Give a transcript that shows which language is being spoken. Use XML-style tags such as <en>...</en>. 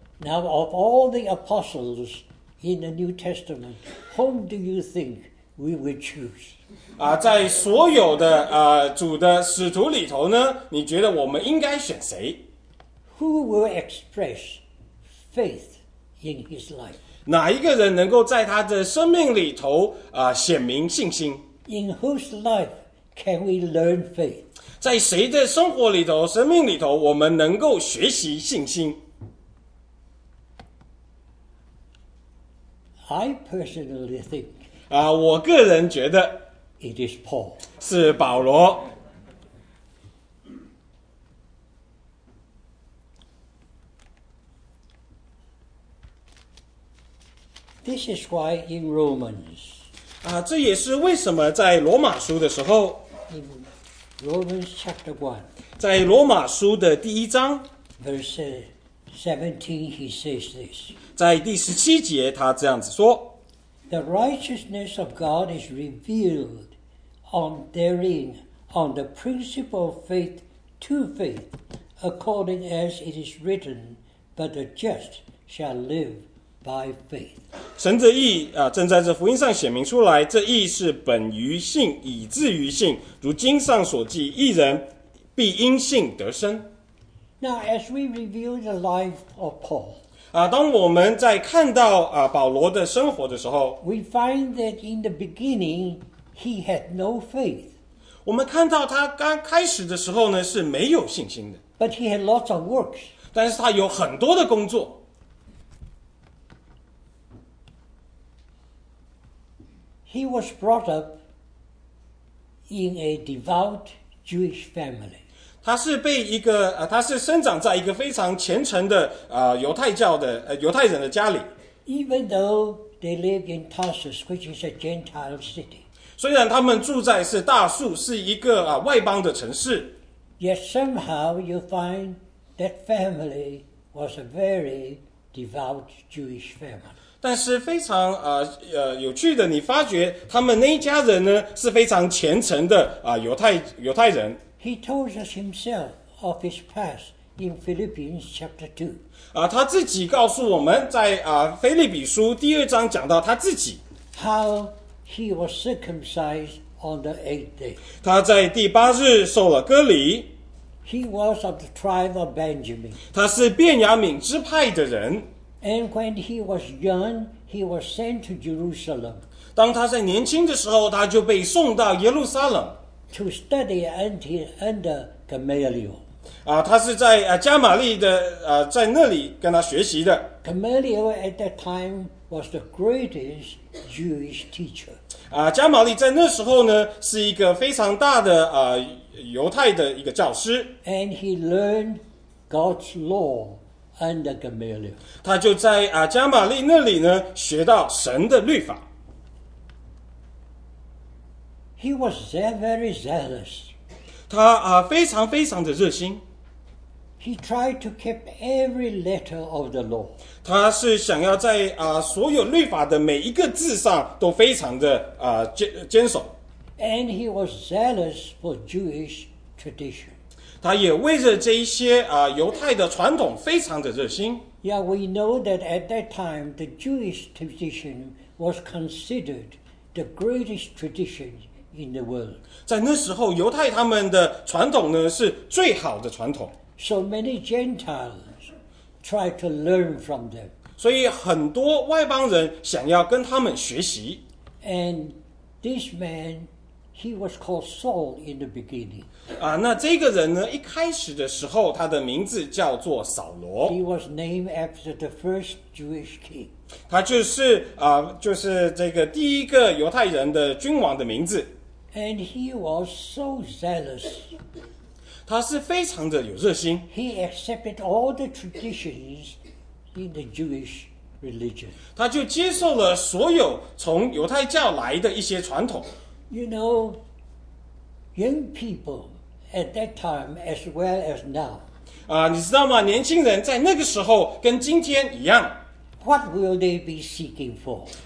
<en>Now of all the apostles,In the New Testament, whom do you think we would choose?</en> <zh>在所有的主的使徒里头呢，你觉得我们应该选谁？</zh> <en>Who will express faith in his life?</en> <zh>哪一个人能够在他的生命里头显明信心？</zh> <en>In whose life can we learn faith?</en> <zh>在谁的生活里头、生命里头，我们能够学习信心？</zh> <en>I personally think,</en> <zh>我个人觉得</zh> <en>it is Paul.</en> <zh>是保罗。</zh> <en>This is why in Romans,</en> <zh>这也是为什么在罗马书的时候</zh> <en>in Romans chapter 1,</en> <zh>在罗马书的第一章</zh> <en>verse 17, he says this.</en> <zh>在第十七节，他这样子说</zh> <en>：“The righteousness of God is revealed on therein on the principle of faith to faith, according as it is written, but the just shall live by faith.”</en> <zh>神的义正在这福音上显明出来，这义是本于信，以至于信，如经上所记，义人必因信得生。</zh> <en>Now, as we review the life of Paul.</en> <zh>当我们在看到保罗的生活的时候</zh> <en>，We find that in the beginning he had no faith.</en> <zh>我们看到他刚开始的时候呢是没有信心的。</zh> <en>But he had lots of works.</en> <zh>但是他有很多的工作。</zh> <en>He was brought up in a devout Jewish family.</en> <zh>他是被一个他是生长在一个非常虔诚的犹太教的犹太人的家里。</zh> <en>Even though they live in Tarsus, which is a Gentile city.</en> <zh>虽然他们住在是大树，是一个外邦的城市。</zh> <en>Yet somehow you find that family was a very devout Jewish family.</en> <zh>但是非常有趣的，你发觉他们那一家人呢是非常虔诚的犹太人。</zh> <en>He told us himself of his past in Philippians chapter 2.</en> <zh>他自己告诉我们在腓立比书第二章讲到他自己。</zh> <en>How he was circumcised on the eighth day.</en> <zh>他在第八日受了割礼。</zh> <en>He was of the tribe of Benjamin.</en> <zh>他是便雅悯支派的人。</zh> <en>And when he was young, he was sent to Jerusalem.</en> <zh>当他在年轻的时候，他就被送到耶路撒冷。</zh> <en>To study under Gamaliel.</en> <zh>他是在加玛利的在那里跟他学习的。</zh> <en>Gamaliel at that time was the greatest Jewish teacher.</en> <zh>加玛利在那时候呢，是一个非常大的犹太的一个教师。</zh> <en>And he learned God's law. Under Gamaliel.</en> <zh>他就在加玛利那里呢学到神的律法。</zh> <en>He was very zealous.</en> <zh>他非常非常的热心。</zh> <en>He tried to keep every letter of the law.</en> <zh>他是想要在所有律法的每一个字上都非常的坚守。</zh> <en>And he was zealous for Jewish tradition.</en> <zh>他也为着这一些犹太的传统非常的热心。</zh> <en>Yeah, we know that at that time the Jewish tradition was considered the greatest tradition in the world.</en> <zh>在那时候，犹太他们的传统呢是最好的传统。</zh> <en>So many Gentiles tried to learn from them.</en> <zh>所以很多外邦人想要跟他们学习。</zh> <en>And this man. He was called Saul in the beginning.</en> <zh>那这个人呢，一开始的时候，他的名字叫做扫罗。</zh> <en>He was named after the first Jewish king.</en> <zh>他就是就是这个第一个犹太人的君王的名字。</zh> <en>And he was so zealous.</en> <zh>他是非常的有热心。</zh> <en>He accepted all the traditions in the Jewish religion.</en> <zh>他就接受了所有从犹太教来的一些传统。</zh> <en>You know, young people at that time as well as now.</en> <zh>你知道吗？年轻人在那个时候跟今天一样。</zh> <en>What will they be seeking for?</en>